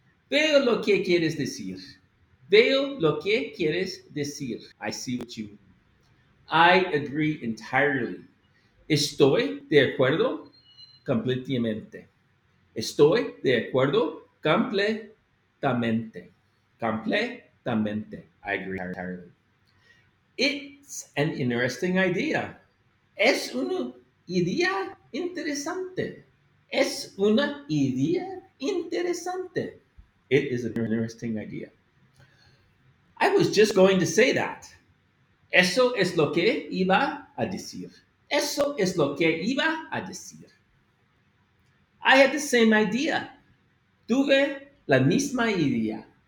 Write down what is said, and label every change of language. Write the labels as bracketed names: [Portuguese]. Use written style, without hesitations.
[Spanish] Veo lo que quieres decir. Veo lo que quieres decir. [English] I see what you mean. I agree entirely. [Spanish] Estoy de acuerdo completamente. Estoy de acuerdo completamente. [English] Completamente. I agree entirely. It's an interesting idea. [Spanish] Es una idea interesante. Es una idea interesante. [English] It is an interesting idea. I was just going to say that. [Spanish] Eso es lo que iba a decir. Eso es lo que iba a decir. [English] I had the same idea. [Spanish] Tuve la misma idea.